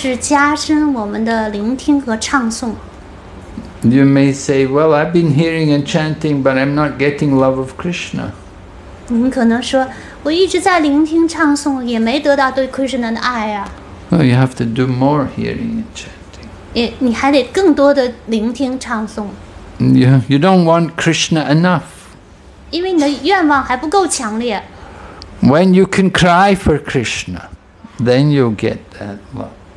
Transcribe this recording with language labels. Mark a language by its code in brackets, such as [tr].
[zh] 我们来到这里，我们就是为此原因来到这里，就是加深我们的聆听和唱诵。 [en] You may say, well, I've been hearing and chanting, but I'm not getting love of Krishna. [zh] 你们可能说，我一直在聆听唱诵，也没得到对Krishna的爱啊。 [en] Well, you have to do more hearing and chanting. [zh] 你还得更多的聆听唱诵。 [en] You don't want Krishna enough. [zh] 因为你的愿望还不够强烈。 [en] When you can cry for Krishna, then you'll get that love.